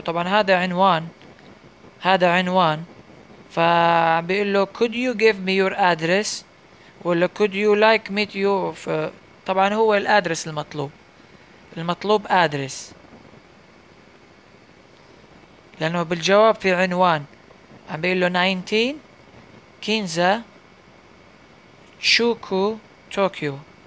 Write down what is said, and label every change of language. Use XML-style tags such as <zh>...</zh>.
<ar>طبعا هذا عنوان، هذا عنوان. فبيقول له</ar> <en>could you give me your address</en> <ar>ولا</ar> <en>could you like meet you.</en> <ar>طبعا هو الادرس المطلوب، المطلوب ادرس، لانه بالجواب في عنوان. عم بيقول له 19 كينزا شوكو طوكيو.</ar>